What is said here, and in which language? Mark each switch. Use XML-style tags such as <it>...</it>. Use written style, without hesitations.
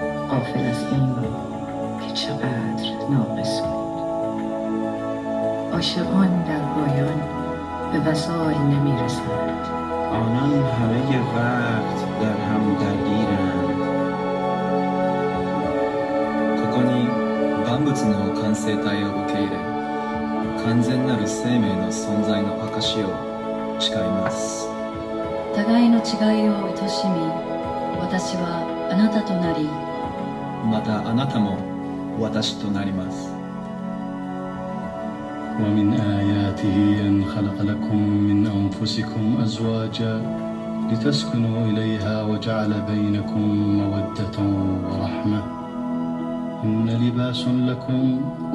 <fa>غافل از این بود که چقدر ناقص بود. عاشقان در پایان به وسایل نمی رسند. آنان همه وقت در هم درگیرند.</fa> <ja>ここに万物の完成体を受け入れ、完全なる生命の存在の証を誓います。互いの違いを愛しみ、私はあなたとなり。またあなたも私となります。</ja> <ar>ومن آياته أن خلق لكم من أنفسكم أزواجا لتسكنوا إليها وجعل بينكم مودة ورحمة إن لباس لكم</ar>